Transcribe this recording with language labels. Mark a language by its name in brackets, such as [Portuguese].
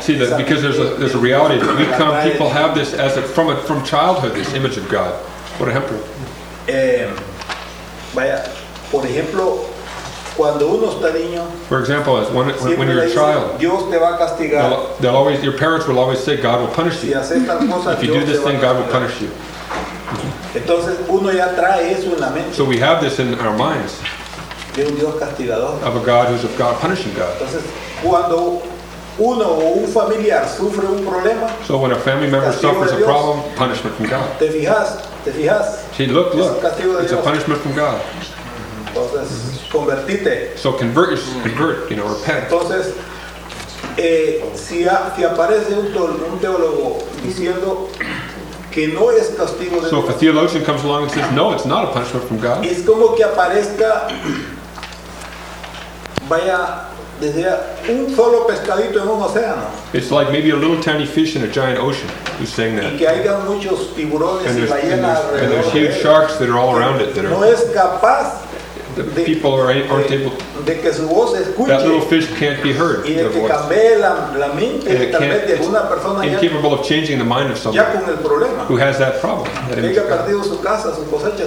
[English] See, because there's a reality that people have this as a, from childhood, this image of God. [Spanish] Por ejemplo. Vaya, por ejemplo, Cuando uno está niño, [English] for example, as when you're a child, [Spanish] Dios te va a castigar. [English] They'll always, your parents will always say God will punish you. [Spanish] Si haces tal cosa, [English] if you [Spanish] Dios [English] do this thing, God will punish you. [Spanish] Entonces, uno ya trae eso en la mente. [English] So we have this in our minds. [Spanish] De un Dios castigador. [English] Of a God who's a God punishing God. [Spanish] Entonces, cuando uno o un familiar sufre un problema, [English] so when a family member suffers [Spanish] Dios, [English] a problem, punishment from God. [Spanish] Te fijas. [English] See, look. It's a punishment from God. [Spanish] Entonces, convertite. [English] So convert, you know, repent. [Spanish] Entonces, si aparece un teólogo diciendo que no es castigo de Dios. [English] So if a theologian comes along and says, no, it's not a punishment from God. [Spanish] Es como que aparezca, vaya, desde un solo pescadito en un océano. [English] It's like maybe a little tiny fish in a giant ocean who's saying that. [Spanish] Y que haya muchos tiburones y ballenas alrededor. [English] And there's huge sharks that are all around it. [Spanish] No es capaz. [English] People aren't able. [Spanish] De que su voz escuche, [English] that little fish can't be heard. [Spanish] Y de que cambie la mente, [English] and it can't, [Spanish] de una persona [English] incapable [Spanish] ya, [English] of changing the mind of someone who has that problem. [Spanish] That ha perdido su casa, su cosecha, su